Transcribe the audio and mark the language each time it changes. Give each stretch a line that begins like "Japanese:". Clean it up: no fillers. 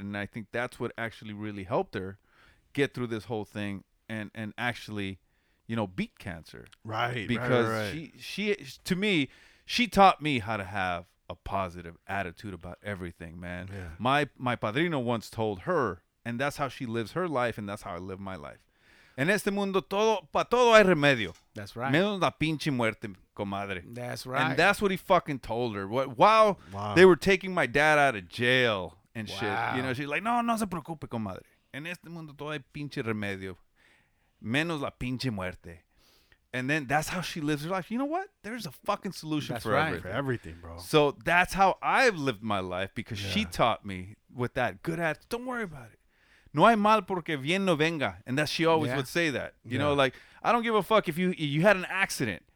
English: And I think that's what actually really helped her get through this whole thing and actually, you know, beat cancer. Right. Because she taught me how to have a positive attitude about everything, man. Yeah. My padrino once told her, and that's how she lives her life, and that's how I live my life.
Spanish: En este mundo todo pa todo hay remedio.
English: That's right.
Spanish: Menos la pinche muerte, comadre.
English: That's right. And that's what he fucking told her. While they were taking my dad out of jail and shit. You know, she's like,
Spanish: no se preocupe, comadre. En este mundo todo hay pinche remedio, menos la pinche muerte.
English: And then that's how she lives her life. You know what? There's a fucking solution for everything, bro. So that's how I've lived my life because she taught me with that good attitude. Don't worry about it.
Spanish: No hay mal porque bien no venga.
English: And that she always would say that. You know, like, I don't give a fuck if you had an accident.